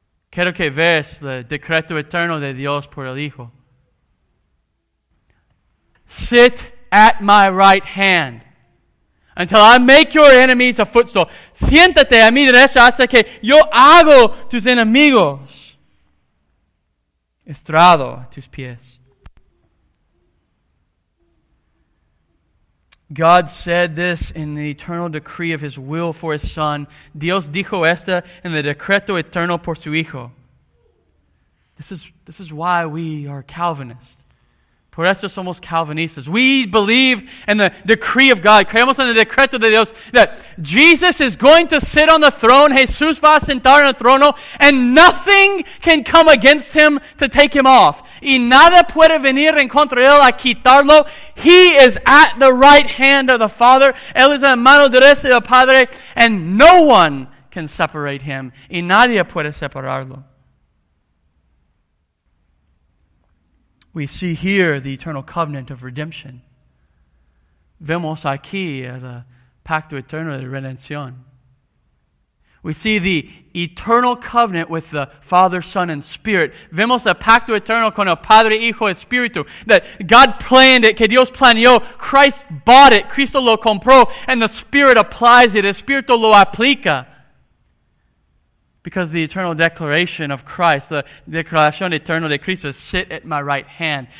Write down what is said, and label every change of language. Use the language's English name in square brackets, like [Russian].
[Spanish] Quiero que veas el decreto eterno de Dios por el Hijo. [English] Sit at my right hand until I make your enemies a footstool. [Spanish] Siéntate a mi derecha hasta que yo hago tus enemigos estrado a tus pies. [English] God said this in the eternal decree of His will for His Son. [Spanish] Dios dijo esta en el decreto eterno por su Hijo. [English] This is why we are Calvinists. [Spanish] Por eso somos Calvinistas. [English] We believe in the decree of God. [Spanish] Creemos en el decreto de Dios [English] that Jesus is going to sit on the throne. [Spanish] Jesús va a sentar en el trono. [English] And nothing can come against Him to take Him off. [Spanish] Y nada puede venir en contra de Él a quitarlo. [English] He is at the right hand of the Father. [Spanish] Él es en la mano derecha del Padre. [English] And no one can separate Him. [Spanish] Y nadie puede separarlo. [English] We see here the eternal covenant of redemption. [Spanish] Vemos aquí el pacto eterno de redención. [English] We see the eternal covenant with the Father, Son, and Spirit. [Spanish] Vemos el pacto eterno con el Padre, Hijo, Espíritu. [English] That God planned it, [Spanish] que Dios planeó. [English] Christ bought it, [Spanish] Cristo lo compró, [English] and the Spirit applies it, [Spanish] Espíritu lo aplica. [English] Because the eternal declaration of Christ, the [Spanish] declaración eterna de Cristo, [English] is sit at my right hand.